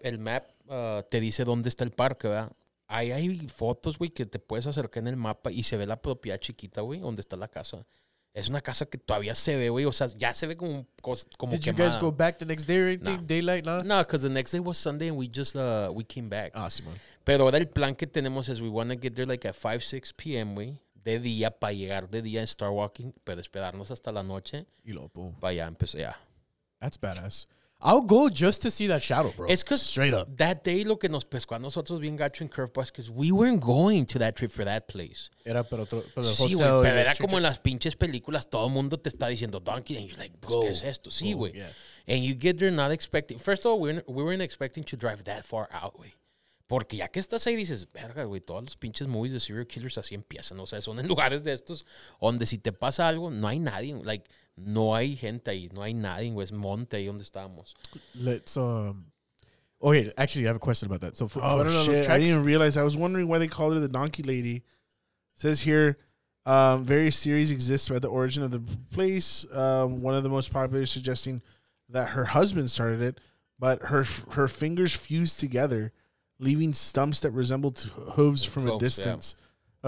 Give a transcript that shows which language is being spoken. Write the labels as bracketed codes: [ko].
[es] El map te dice dónde está el parque, ¿verdad? Ahí hay fotos, güey, que te puedes acercar en el mapa y se ve la propiedad chiquita, güey, donde está la casa. Es una casa que todavía se ve, güey. O sea, ya se ve como [en] Did [es] quemada. [en] You guys go back the next day or anything? No. Daylight? No, because the next day was Sunday and we came back. [es] Ah, sí, man. Pero ahora el plan que tenemos es [en] we want to get there like at 5, 6 p.m., [es] güey, de día para llegar de día [en] and start walking, [es] pero esperarnos hasta la noche. Y luego, boom. Para allá empezar, yeah. [en] That's badass. I'll go just to see that shadow, bro. It's because straight up that day, [es] lo que nos pescó a nosotros bien gacho en Curve Bus, [en] because we weren't going to that trip for that place. [es] Era pero otro, pero sí, güey, pero era como en las pinches películas, todo el mundo te está diciendo Donkey, [en] and you're like, [es] pues, [en] go, [es] ¿qué es esto? Sí, güey. [en] Yeah. And you get there not expecting. First of all, we weren't expecting to drive that far out, güey. [es] Porque ya que estás ahí, dices, verga, güey, todos los pinches movies de serial killers así empiezan. O sea, son en lugares de estos donde si te pasa algo, no hay nadie. Like, no hay gente ahí, no hay nadie, güey. Es monte ahí donde estábamos. [en] Let's, okay, actually, I have a question about that. So, I didn't even realize. I was wondering why they called her the Donkey Lady. It says here, various theories exist about the origin of the place. One of the most popular suggesting that her husband started it, but her fingers fused together, leaving stumps that resembled hooves from a distance, yeah.